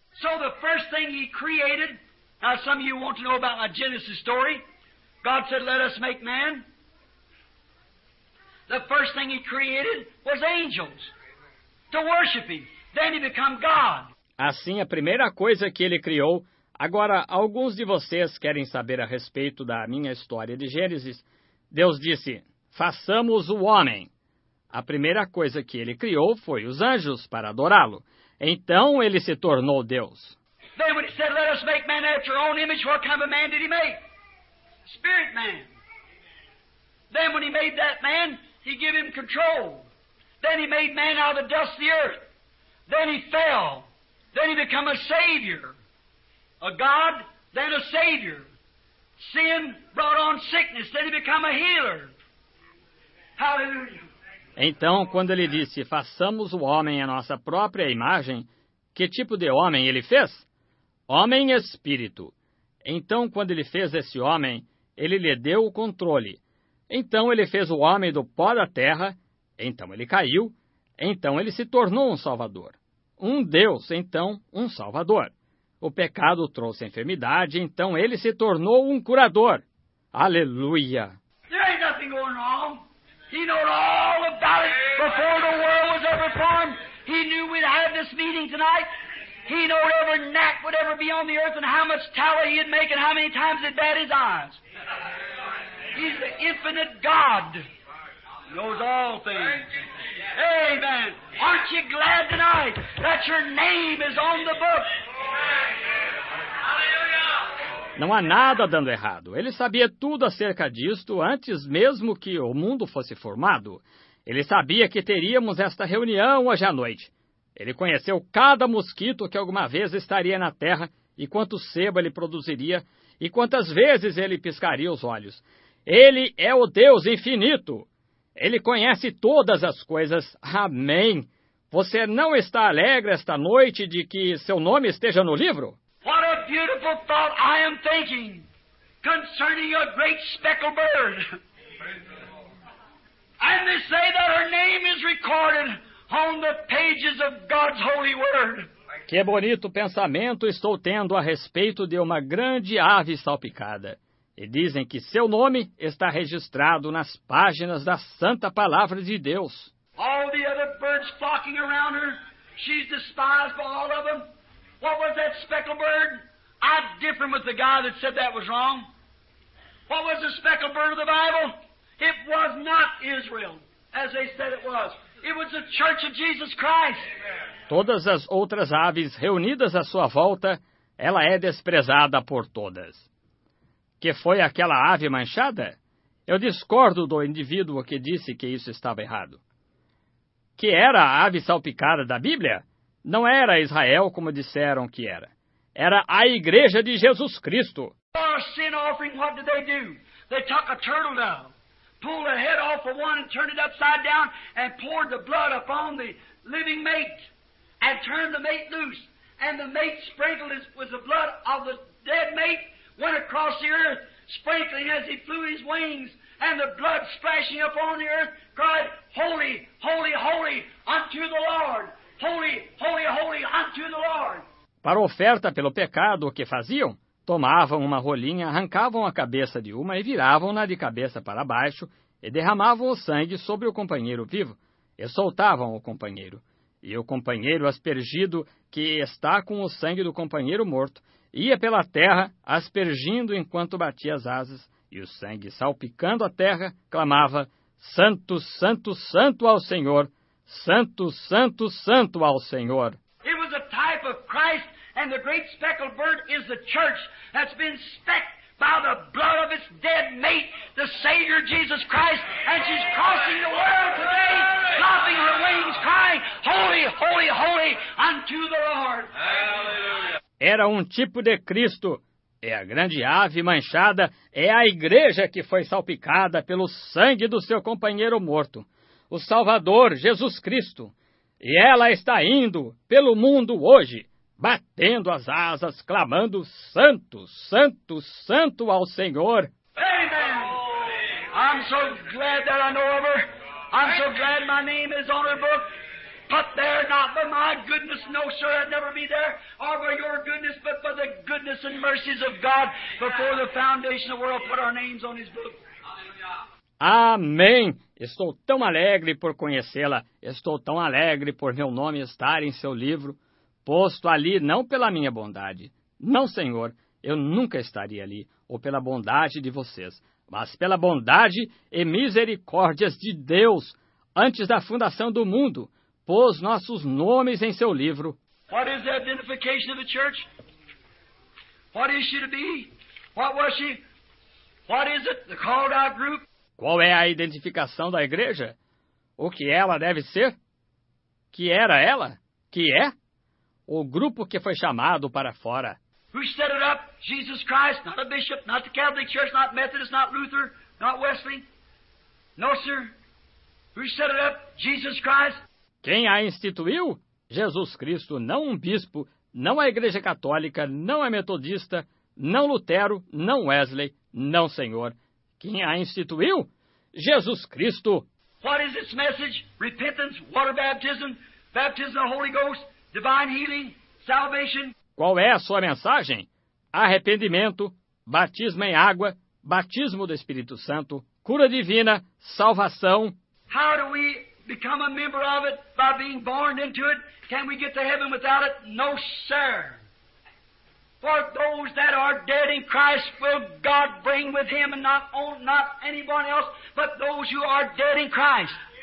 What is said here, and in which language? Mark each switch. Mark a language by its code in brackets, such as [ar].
[en] So the first thing he created, now some of you want to know about my Genesis story. God said, let us make man. The first thing he created was angels to worship him. Then he became God. [pt] Assim, a primeira coisa que ele criou, agora alguns de vocês querem saber a respeito da minha história de Gênesis. Deus disse, façamos o homem. A primeira coisa que ele criou foi os anjos para adorá-lo. Então ele se tornou Deus. [en] Then when he said, let us make man after our own image, what kind of man did he make? Spirit man. Then when he made that man, he gave him control. Then he made man out of the dust of the earth. Then he fell. Then he became a savior. A God, then a savior. Sin brought on sickness. Then he became a healer. Hallelujah. [pt] Então, quando ele disse, façamos o homem a nossa própria imagem, que tipo de homem ele fez? Homem espírito. Então, quando ele fez esse homem, ele lhe deu o controle. Então, ele fez o homem do pó da terra, então ele caiu, então ele se tornou um salvador. Um Deus, então, um salvador. O pecado trouxe a enfermidade, então ele se tornou um curador. Aleluia! [en] There ain't nothing going wrong. He knew all about it before the world was ever formed. He knew we'd have this meeting tonight. He knew every gnat would ever be on the earth and how much tally he'd make and how many times he'd bat his eyes. He's the infinite God. He knows all things. Amen. Aren't you glad tonight that your name is on the book? [pt] Não há nada dando errado. Ele sabia tudo acerca disto antes mesmo que o mundo fosse formado. Ele sabia que teríamos esta reunião hoje à noite. Ele conheceu cada mosquito que alguma vez estaria na terra e quanto sebo ele produziria e quantas vezes ele piscaria os olhos. Ele é o Deus infinito. Ele conhece todas as coisas. Amém. Você não está alegre esta noite de que seu nome esteja no livro? [en] What a beautiful thought I am thinking concerning a great speckled bird. And they say that her name is recorded on the pages of God's holy word. [pt] Que bonito pensamento estou tendo a respeito de uma grande ave salpicada. E dizem que seu nome está registrado nas páginas da Santa Palavra de Deus. [en] All the other birds flocking around her, she's despised by all of them. What was that speckled bird? I differ with the guy that said that was wrong. What was the speckled bird of the Bible? It was not Israel, as they said it was. It was the Church of Jesus Christ. [pt] Todas as outras aves reunidas à sua volta, ela é desprezada por todas. Que foi aquela ave manchada? Eu discordo do indivíduo que disse que isso estava errado. que era a ave salpicada da Bíblia, não era Israel como disseram que era. Era a igreja de Jesus Cristo. [en] For a sin offering, what did they do? They took a turtle dove, pulled the head off of one and turned it upside down and poured the blood upon the living mate and turned the mate loose. And the mate sprinkled it with the blood of the dead mate, went across the earth, sprinkling as he flew his wings. And the blood splashing upon the earth cried, "Holy, holy, holy unto the Lord. Holy, holy, holy unto the Lord." [pt] Para oferta pelo pecado, o que faziam? Tomavam uma rolinha, arrancavam a cabeça de uma e viravam-na de cabeça para baixo e derramavam o sangue sobre o companheiro vivo e soltavam o companheiro. E o companheiro aspergido, que está com o sangue do companheiro morto, ia pela terra aspergindo enquanto batia as asas, e o sangue salpicando a terra clamava: "Santo, santo, santo ao Senhor! Santo, santo, santo ao Senhor!" [en] It was a type of Christ. And the great speckled bird is the church that's been specked by the blood of its dead mate, the Savior Jesus Christ. And she's crossing the world today, flopping her wings, crying, "Holy, holy, holy unto the Lord." Hallelujah. [pt] Era tipo de Cristo. E a grande ave manchada é a igreja que foi salpicada pelo sangue do seu companheiro morto, o Salvador Jesus Cristo. E ela está indo pelo mundo hoje, batendo as asas, clamando: "Santo, santo, santo ao Senhor." [en] Amen. I'm so glad that I know of her. I'm so glad my name is on her book. Put there not for my goodness, no sir, I'd never be there, or for your goodness, but for the goodness and mercies of God before the foundation of the world put our names on his book. [pt] Amém. Estou tão alegre por conhecê-la. Estou tão alegre por meu nome estar em seu livro. Posto ali não pela minha bondade, não, Senhor, eu nunca estaria ali, ou pela bondade de vocês, mas pela bondade e misericórdias de Deus, antes da fundação do mundo, pôs nossos nomes em seu livro. [en] What is the identification of the church? What is she to be? What was she? What is it? The called out group? [pt] Qual é a identificação da igreja? O que ela deve ser? Que era ela? Que é? O grupo que foi chamado para fora. [en] Who set it up? Jesus Christ, not a bishop, not the Catholic Church, not Methodist, not Luther, not Wesley. No, sir. Who set it up? Jesus Christ. [pt] Quem a instituiu? Jesus Cristo, não um bispo, não a Igreja Católica, não a Metodista, não Lutero, não Wesley, não, Senhor. Quem a instituiu? Jesus Cristo. [en] What is its message? Repentance, water baptism, baptism of the Holy Ghost. Divine healing, salvation. [pt] Qual é a sua mensagem? Arrependimento, batismo em água, batismo do Espírito Santo, cura divina, salvação. [en] How do we become a member of it by being born into it? Can we get to heaven without it? No, sir. For those that are dead in Christ, will God bring with him and not anyone else, but those who are dead in Christ.